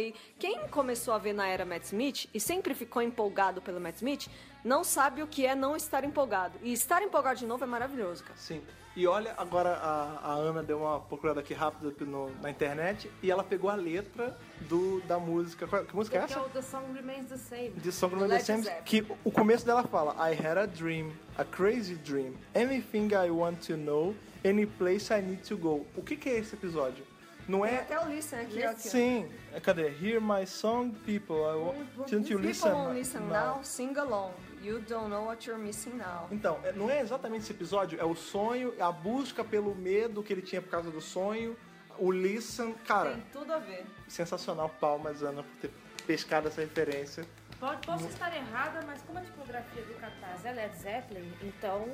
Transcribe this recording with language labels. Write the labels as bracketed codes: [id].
[pt] E quem começou a ver na era Matt Smith e sempre ficou empolgado pelo Matt Smith, não sabe o que é não estar empolgado. E estar empolgado de novo é maravilhoso, cara. Sim. E olha, agora a Ana deu uma procurada aqui rápida na internet e ela pegou a letra da música. Que música é essa? Que é o The Song Remains the Same. [en] The Song Remains the Same. [pt] Que o começo dela fala: [en] I had a dream, a crazy dream. Anything I want to know, any place I need to go. [pt] O que que é esse episódio? Não é... Tem até o listen aqui. Sim. Cadê? [en] Hear my song, people. Didn't you listen? People won't listen now, sing along. You don't know what you're missing now. [pt] Então, não é exatamente esse episódio? É o sonho, a busca pelo medo que ele tinha por causa do sonho. O listen, cara... Tem tudo a ver. Sensacional. Palmas, Ana, por ter pescado essa referência. Posso estar errada, mas como a tipografia do cartaz é Led Zeppelin, então...